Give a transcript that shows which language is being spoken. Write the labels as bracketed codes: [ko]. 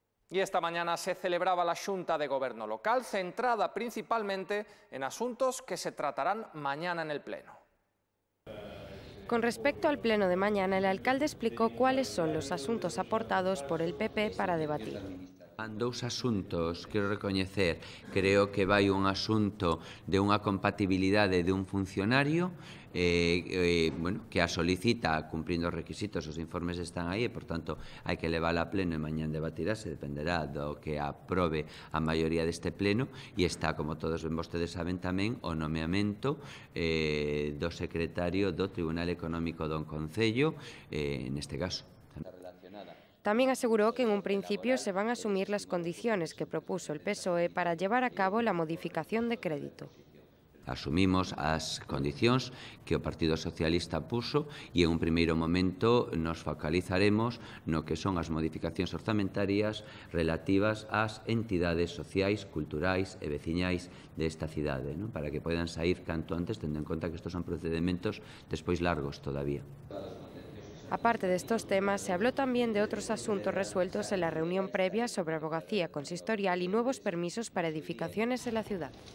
[es] Y esta mañana se celebraba la Xunta de Gobierno local, centrada principalmente en asuntos que se tratarán mañana en el Pleno. Con respecto al Pleno de mañana, el alcalde explicó cuáles son los asuntos aportados por el PP para debatir. [gl] Dous asuntos, quero recoñecer, creo que vai un asunto de unha compatibilidade de un funcionario que a solicita cumprindo os requisitos, os informes están aí e, por tanto, hai que levar a pleno e mañan debatirase, dependerá do que aprove a maioría deste pleno e está, como todos vostedes saben tamén, o nomeamento do secretario do Tribunal Económico do Concello, neste caso. [es] También aseguró que en un principio se van a asumir las condiciones que propuso el PSOE para llevar a cabo la modificación de crédito. [gl] asumimos as condicións que o Partido Socialista puso e en un primeiro momento nos focalizaremos no que son as modificacións orzamentarias relativas ás entidades sociais, culturais e veciñais desta cidade, ¿no? Para que podan sair canto antes, tendo en conta que estos son procedimentos despois largos todavía. [es] Aparte de estos temas, se habló también de otros asuntos resueltos en la reunión previa sobre abogacía consistorial y nuevos permisos para edificaciones en la ciudad.